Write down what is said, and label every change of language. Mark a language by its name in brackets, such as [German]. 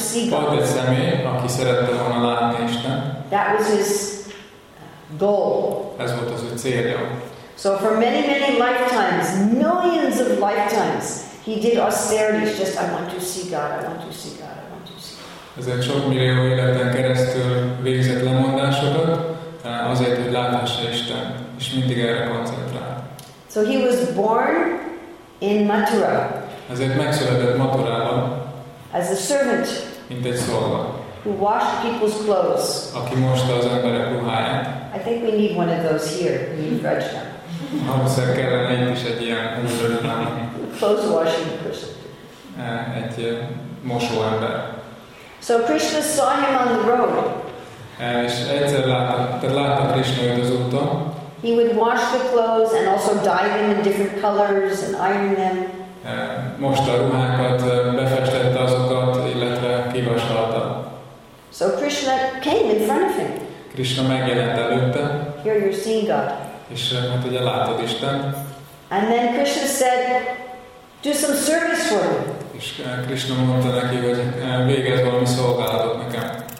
[Hungarian] Volt egy személy, aki szerette volna látni Istent. [English] That was his goal. [Hungarian] Ez volt az ő célja. [English] So for many, many lifetimes, millions of lifetimes, he did austerities, just I want to see God, I want to see God, I want to see God. [Hungarian] Ezért sok millió életen keresztül végzett lemondásokat, azért, hogy láthassa Isten, és mindig erre koncentrál. [English] So he was born in Mathura. [Hungarian] Ezért megszületett Mathurában. [English] As a servant. [Hungarian] Mint egy szolga. [English] Who washed people's clothes. [Hungarian] Aki mosta az emberek ruháját. [English] I think we need one of those here in New Vrajda. [Hungarian] Hamszer kellene itt is egy ilyen [English] clothes washing person. [Hungarian] Egy mosó ember. [English] So Krishna saw him on the road. [Hungarian] És egyszer látta Krishna őt az úton. [English] He would wash the clothes and also dye them in different colors and iron them. [Hungarian] Mosta a ruhákat, befestette azokat, illetve kivasalta. [English] So Krishna came in front of him. [Hungarian] Krishna megjelent előtte. [English] Here you're seeing God. [Hungarian] És hát ugye látod Istent. [English] And then Krishna said, do some service for me. [Hungarian] És Krishna mondta neki, hogy végezz valami szolgálatot nekem.